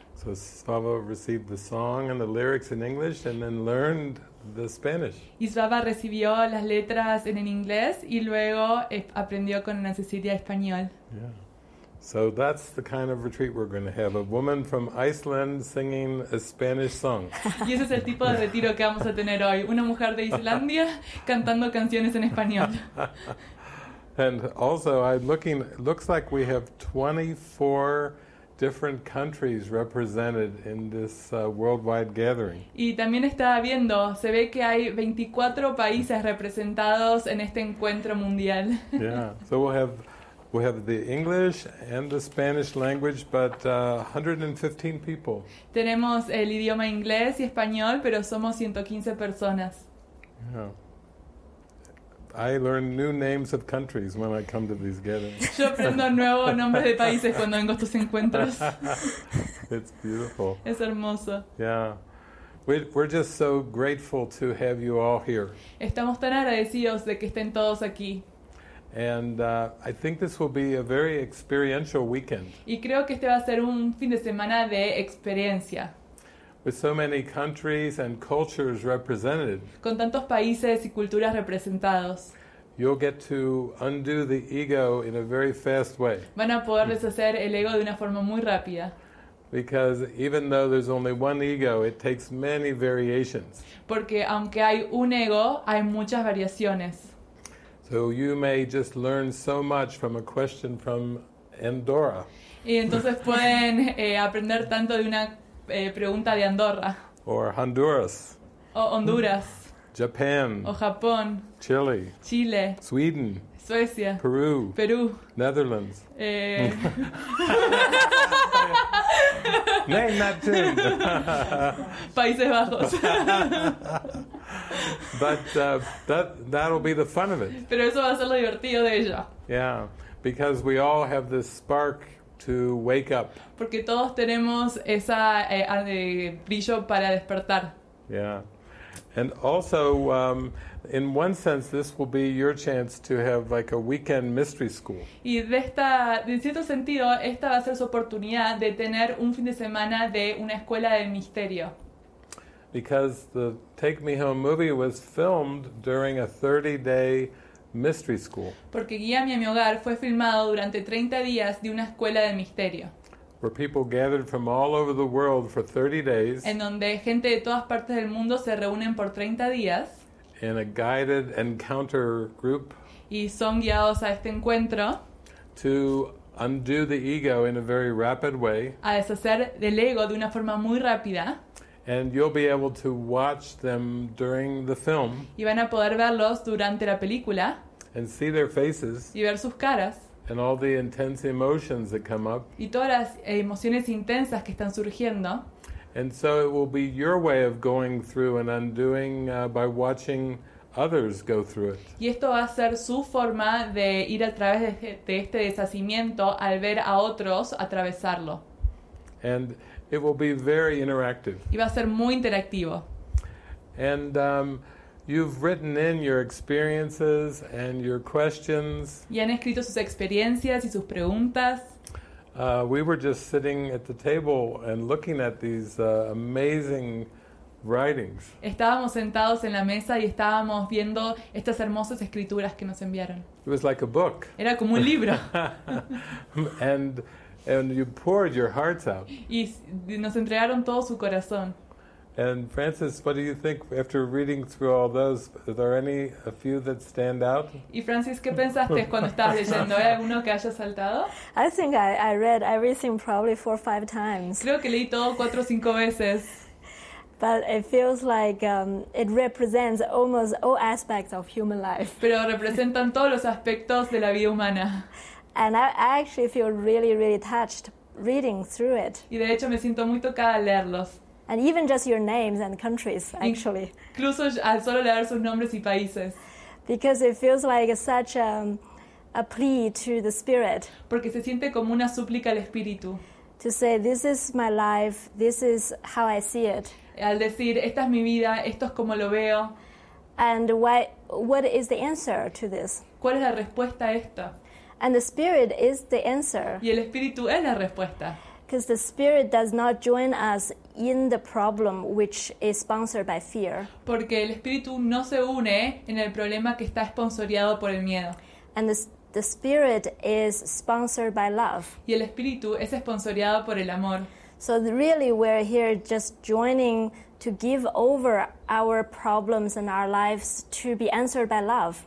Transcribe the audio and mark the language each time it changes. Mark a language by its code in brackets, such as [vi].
[en] So Svava received the song and the lyrics in English and then learned the Spanish. [es] Y Svava recibió las letras en inglés y luego aprendió con Ana Cecilia español. [en] Yeah. So that's the kind of retreat we're going to have. A woman from Iceland singing a Spanish song. [es] Y ese es el tipo de retiro que vamos a tener hoy. Una mujer de Islandia cantando canciones en español. [en] And also, it looks like we have 24 different countries represented in this worldwide gathering. [es] Y también estaba viendo, se ve que hay 24 países representados en este encuentro mundial. [en] Yeah, so we have the English and the Spanish language, but 115 people. [es] Tenemos el idioma inglés y español, pero somos 115 personas. [en] Yeah. I learn new names of countries when I come to these gatherings. [es] Yo aprendo nuevos nombres de países cuando vengo a estos encuentros. [en] It's beautiful. [es] Es hermoso. [en] Yeah. We're just so grateful to have you all here. [es] Estamos tan agradecidos de que estén todos aquí. [en] And I think this will be a very experiential weekend. [es] Y creo que este va a ser un fin de semana de experiencia. [en] With so many countries and cultures represented, [es] con tantos países y culturas representados, [en] you'll get to undo the ego in a very fast way. [es] Van a poder deshacer el ego de una forma muy rápida. [en] Because even though there's only one ego, it takes many variations. [es] Porque aunque hay un ego, hay muchas variaciones. [en] So you may just learn so much from a question from Andorra. [es] Y entonces pueden aprender tanto de una pregunta de Andorra. [en] Or Honduras. [es] O Honduras. [en] Japan. [es] O Japón. [en] Chile. [es] Chile. [en] Sweden. [es] Suecia. [en] Peru. [es] Perú. [en] Netherlands. Name that too. [es] Países Bajos. [en] But that'll be the fun of it. [es] Pero eso va a ser lo divertido de ella. [en] Yeah, because we all have this spark to wake up. [es] Porque todos tenemos esa brillo para despertar. [en] Yeah. And also, in one sense, this will be your chance to have like a weekend mystery school. [es] Y de cierto sentido, esta va a ser su oportunidad de tener un fin de semana de una escuela de misterio. [en] Because the Take Me Home movie was filmed during a 30-day mystery school. [es] Porque Guíame a mi hogar fue filmado durante 30 días de una escuela de misterio. [en] Where people gathered from all over the world for 30 days. [es] En donde gente de todas partes del mundo se reúnen por 30 días. [en] In a guided encounter group. [es] Y son guiados a este encuentro. [en] To undo the ego in a very rapid way. [es] A deshacer del ego de una forma muy rápida. [en] And you'll be able to watch them during the film. [es] Y van a poder verlos durante la película. [en] And see their faces. [es] Y ver sus caras. [en] And all the intense emotions that come up. [es] Y todas las emociones intensas que están surgiendo. [en] And so it will be your way of going through and undoing by watching others go through it. [es] Y esto va a ser su forma de ir a través de este deshacimiento al ver a otros atravesarlo. [en] And it will be very interactive. [es] Y va a ser muy interactivo. [en] And you've written in your experiences and your questions. [es] Y han escrito sus experiencias y sus preguntas. [en] We were just sitting at the table and looking at these amazing writings. [es] Estábamos sentados en la mesa y estábamos viendo estas hermosas escrituras que nos enviaron. [en] It was like a book. [es] Era como un libro. [en] And you poured your hearts out. [es] Y nos entregaron todo su corazón. [en] And Francis, what do you think after reading through all those? Are there a few that stand out? [es] Y Francis, ¿qué pensaste cuando estabas leyendo? ¿Hay alguno que haya saltado? [en] I think I read everything probably 4 or 5 times. [es] Creo que leí todo 4 o 5 veces. [en] But it feels like it represents almost all aspects of human life. [es] Pero representan todos los aspectos de la vida humana. [en] And I actually feel really, really touched reading through it. [es] Y de hecho me siento muy tocada al leerlos. [en] And even just your names and countries, actually. [es] Incluso al solo leer sus nombres y países. [en] Because it feels like such a plea to the spirit. [es] Porque se siente como una súplica al espíritu. [en] To say, this is my life, this is how I see it. [es] Al decir, esta es mi vida, esto es como lo veo. [en] And what is the answer to this? [es] ¿Cuál es la respuesta a esta? [en] And the spirit is the answer. [es] Y el espíritu es la respuesta. [en] Because the spirit does not join us in the problem which is sponsored by fear. [es] Porque el espíritu no se une en el problema que está patrocinado por el miedo. [en] And the spirit is sponsored by love. [es] Y el espíritu es patrocinado por el amor. [en] So really we're here just joining to give over our problems and our lives to be answered by love.